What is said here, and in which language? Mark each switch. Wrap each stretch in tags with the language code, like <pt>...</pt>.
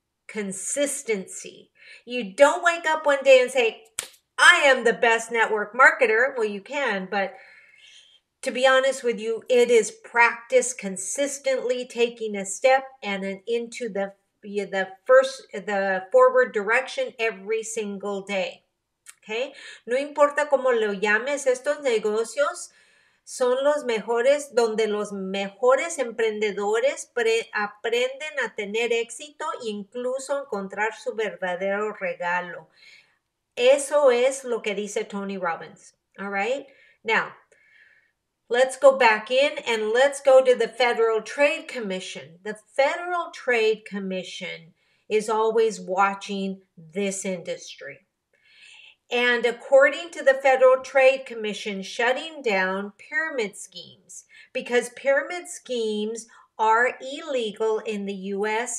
<en>Consistency. You don't wake up one day and say, I am the best network marketer. Well, you can, but to be honest with you, it is practice consistently taking a step and into the forward direction every single day. Okay?</en> <es>No importa cómo lo llames, estos negocios son los mejores, donde los mejores emprendedores aprenden a tener éxito e incluso encontrar su verdadero regalo. Eso es lo que dice Tony Robbins.</es> <en>All right? Now, let's go back in and let's go to the Federal Trade Commission. The Federal Trade Commission is always watching this industry. And according to the Federal Trade Commission, shutting down pyramid schemes, because pyramid schemes are illegal in the U.S.</en>